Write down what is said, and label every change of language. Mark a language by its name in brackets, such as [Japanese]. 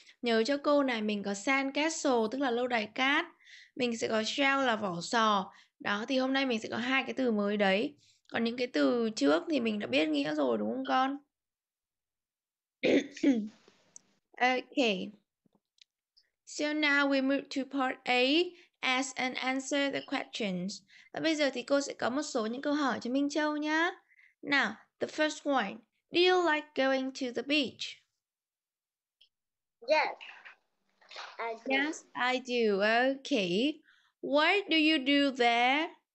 [Vietnamese] Nhớ cho cô này, mình có sand castle tức là lâu đài cát. Mình sẽ có shell là vỏ sò. Đó thì hôm nay mình sẽ có hai cái từ mới đấy. Còn những cái từ trước thì mình đã biết nghĩa rồi đúng không con? [English] Ok. So now we move to part A, ask and answer the questions. [Vietnamese] Và bây giờ thì cô sẽ có một số những câu hỏi cho Minh Châu nhá. [English] Now, the first one. Do you like going to the beach? Yes, I do. Yes, I do. Okay. What do you do there?